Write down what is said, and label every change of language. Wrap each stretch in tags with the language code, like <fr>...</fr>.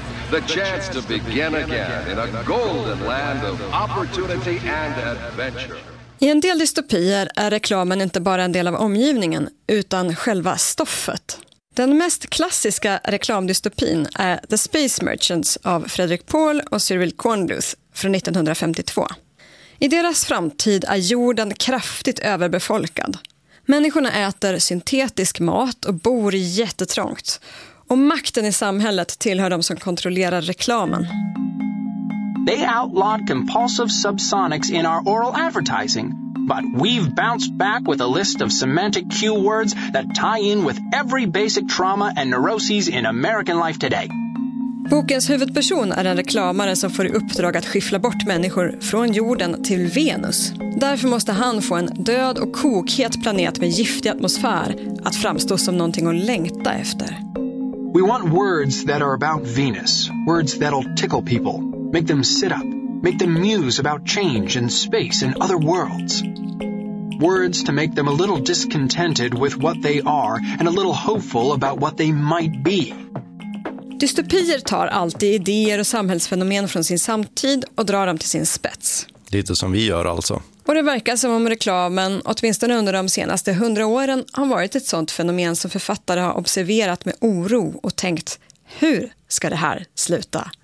<en>The chance to begin again in a golden land of opportunity and adventure.</en> <sv>I en del dystopier är reklamen inte bara en del av omgivningen utan själva stoffet. Den mest klassiska reklamdystopin är The Space Merchants av Frederick Pohl och Cyril Cornbluth från 1952. I deras framtid är jorden kraftigt överbefolkad. Människorna äter syntetisk mat och bor jättetrångt. Och makten i samhället tillhör de som kontrollerar reklamen.</sv> <en>They outlawed compulsive subsonics in our oral advertising. But we've bounced back with a list of semantic cue words that tie in with every basic trauma and neuroses in American life today.</en> <sv>Bokens huvudperson är en reklamare som får i uppdrag att skiffla bort människor från jorden till Venus. Därför måste han få en död och kokhet planet med giftig atmosfär att framstå som någonting att längta efter.</sv> <en>We want words that are about Venus. Words that'll tickle people. Make them sit up. Make them muse about change and space and other worlds. Words to make them a little discontented with what they are and a little hopeful about what they might be.</en> <sv>Dystopier tar alltid idéer och samhällsfenomen från sin samtid och drar dem till sin spets. Lite som vi gör alltså. Och det verkar som om reklamen, åtminstone under de senaste 100 åren, har varit ett sånt fenomen som författare har observerat med oro och tänkt, hur ska det här sluta?</sv>